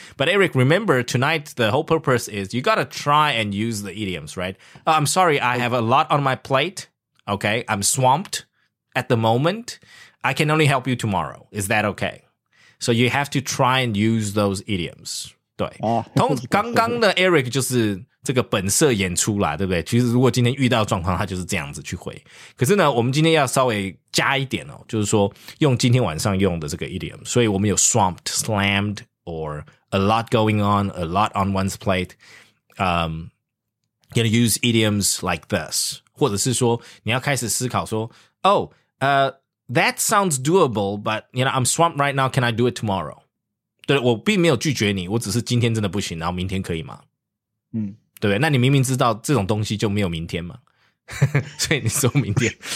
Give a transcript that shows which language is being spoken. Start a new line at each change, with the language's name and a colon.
English: But Eric, remember, tonight the whole purpose is you gotta try and use the idioms, right? Oh, I'm sorry, I have a lot on my plate. Okay, I'm swamped at the moment. I can only help you tomorrow. Is that okay? So you have to try and use those idioms.
Chinese: 对，刚刚的 Eric 就是这个本色演出啦，对不对？其实如果今天遇到状况，他就是这样子去回。可是呢，我们今天要稍微加一点哦，就是说用今天晚上用的这个 idiom。所以我们有
English: swamped, slammed, or a lot going on, a lot on one's plate. Gonna use idioms like this.
Chinese: 或者是说你要开始思考说
English: Oh, that sounds doable, but you know, I'm swamped right now, can I do it tomorrow?
Chinese: 对，我并没有拒绝你，我只是今天真的不行，然后明天可以吗？对不对？那你明明知道这种东西就没有明天嘛，所以你说明天。